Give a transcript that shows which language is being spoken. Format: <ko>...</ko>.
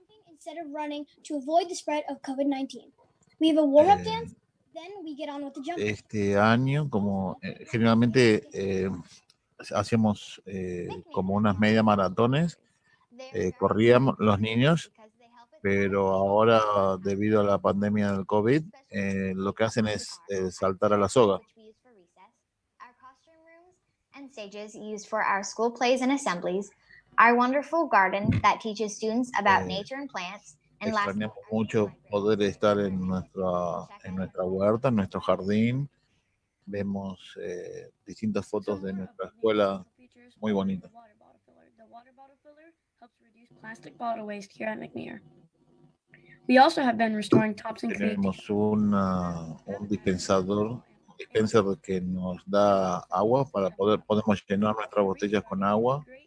<en>Instead of running to avoid the spread of COVID-19. We have a warm-up dance, then we get on with the jump.</en> <es>Este año, como generalmente hacíamos como unas media maratones, corríamos los niños, pero ahora debido a la pandemia del COVID, lo que hacen es saltar a la soga.</es> <en>Our classroom rooms and stages used for our school plays and assemblies. Our wonderful garden that teaches students about nature and plants. And</en> <es>extrañamos mucho poder estar en nuestra huerta, en nuestro jardín. Vemos distintas fotos de nuestra escuela, muy bonita.</es> <en>The water bottle filler helps reduce plastic bottle waste here at McNair. We also have been restoring tops and crates.</en> <es>Tenemos un dispensador que nos da agua para poder podemos llenar nuestras botellas con agua.</es>